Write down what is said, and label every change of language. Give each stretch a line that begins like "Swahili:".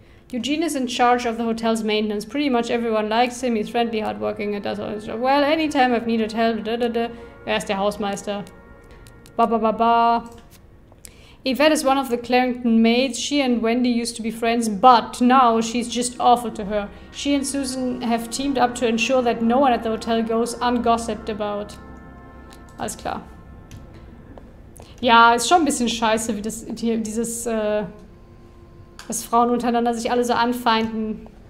English: Eugene is in charge of the hotel's maintenance. Pretty much everyone likes him. He's friendly, hardworking, and does all his job. Well, anytime I've needed help,
German: Er ist der Hausmeister.
English: Ba-ba-ba-ba. Yvette is one of the Clarington maids. She and Wendy used to be friends, but now she's just awful to her. She and Susan have teamed up to ensure that no one at the hotel goes ungossiped about.
German: Alles klar. Ja, ist schon ein bisschen scheiße, wie das hier, dieses, dass Frauen untereinander sich alle so anfeinden.